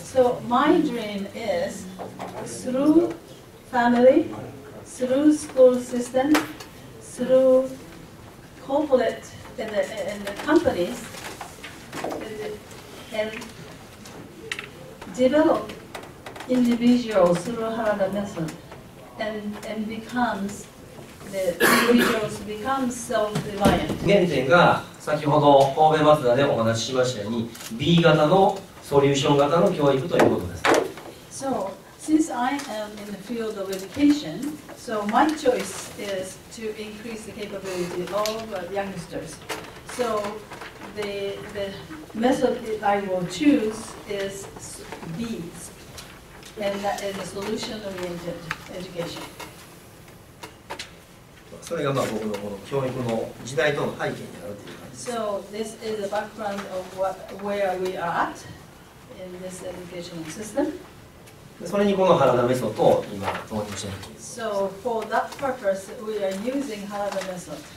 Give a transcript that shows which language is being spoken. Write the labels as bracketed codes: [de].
[en] So my dream is through family, through school system, through corporate and the companies, and develop individuals through Harada method, and becomes the individuals become self-reliant. [ja] 先ほど神戸マツダでお話ししましたように B 型のソリューション型の教育ということです。 [en] So, since I am in the field of education, so my choice is to increase the capability of youngsters. So, the method I will choose is B, and that is a solution-oriented education. [ja] それがまあ僕のこの教育の時代との背景にあるという感じです。 [en] So this is the background of where we are at in this educational system. [ja] それにこの原田メソッドを今導入しているということです [en] So for that purpose, we are using Harada method.